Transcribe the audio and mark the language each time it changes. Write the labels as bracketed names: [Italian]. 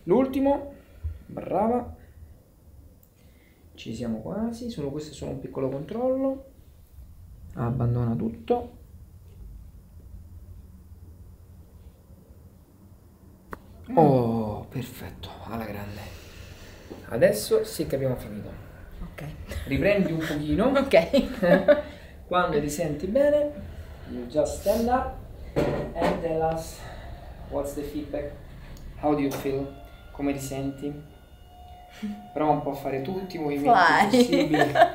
[Italian] L'ultimo, brava, ci siamo quasi, solo questo è solo un piccolo controllo, abbandona tutto, oh perfetto, alla grande, adesso sì che abbiamo finito, ok, riprendi un pochino, ok, quando ti senti bene, [English] you just stand up and tell us what's the feedback, how do you feel? [Italian] Come ti senti? Prova un po' a fare tutti i movimenti possibili.